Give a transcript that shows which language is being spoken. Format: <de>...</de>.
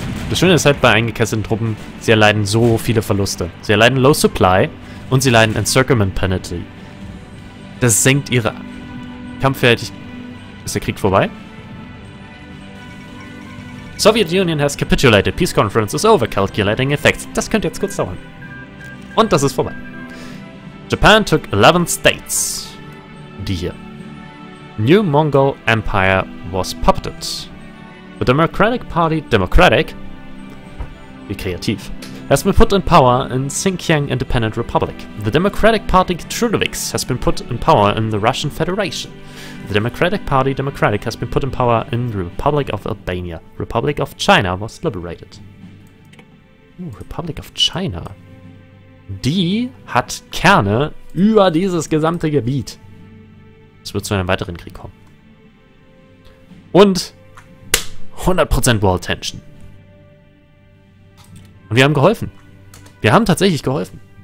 <de>Das Schöne ist halt bei eingekesselten Truppen, sie erleiden so viele Verluste. Sie erleiden Low Supply und sie leiden Encirclement Penalty. Das senkt ihre Kampffähigkeit. Ist der Krieg vorbei?</de> <en>Soviet Union has capitulated. Peace conference is over. Calculating effects.</en> <de>Das könnte jetzt kurz dauern. Und das ist vorbei.</de> <en>Japan took 11 states.</en> <de>Die hier.</de> <en>New Mongol Empire was puppeted. The Democratic Party, Democratic,</en> <de>wie kreativ,</de> <en>has been put in power in Xinjiang Independent Republic. The Democratic Party, Trudoviks, has been put in power in the Russian Federation. The Democratic Party, Democratic, has been put in power in the Republic of Albania. Republic of China was liberated. Ooh, Republic of China.</en> <de>Die hat Kerne über dieses gesamte Gebiet. Es wird zu einem weiteren Krieg kommen. Und 100% World Tension. Und wir haben geholfen. Wir haben tatsächlich geholfen.</de>